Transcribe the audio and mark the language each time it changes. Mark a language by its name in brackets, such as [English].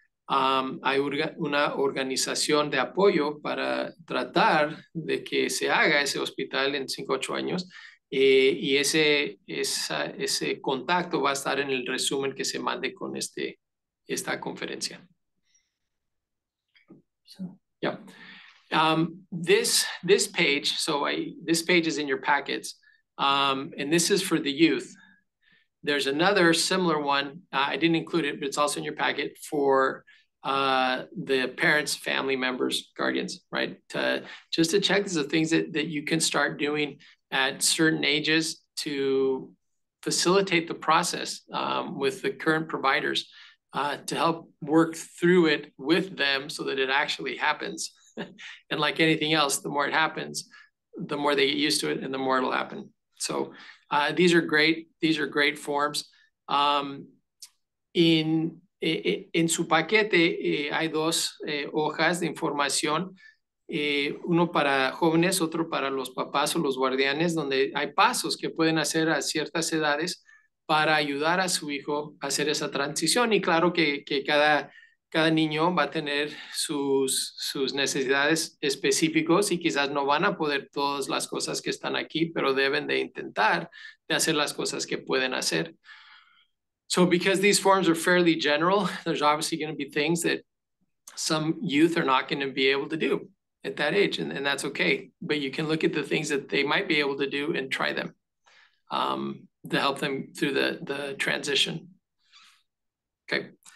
[Spanish] Hay una organización de apoyo para tratar de que se haga ese hospital en 5 o 8 años. Y ese contacto va a estar en el resumen que se mande con esta conferencia. Yeah. [English] This page is in your packets, and this is for the youth. There's another similar one, I didn't include it, but it's also in your packet for the parents, family members, guardians, right? Just to check, these are things that you can start doing at certain ages to facilitate the process with the current providers, to help work through it with them so that it actually happens. And like anything else, the more it happens, the more they get used to it and the more it'll happen. So these are great. These are great forms. [Spanish] In su paquete hay dos hojas de información, uno para jóvenes, otro para los papás o los guardianes, donde hay pasos que pueden hacer a ciertas edades para ayudar a su hijo a hacer esa transición. Y claro que cada niño va a tener sus necesidades específicos y quizás no van a poder todas las cosas que están aquí, pero deben de intentar de hacer las cosas que pueden hacer. [English] So because these forms are fairly general, there's obviously going to be things that some youth are not going to be able to do at that age, and that's okay. But you can look at the things that they might be able to do and try them to help them through the transition. Okay.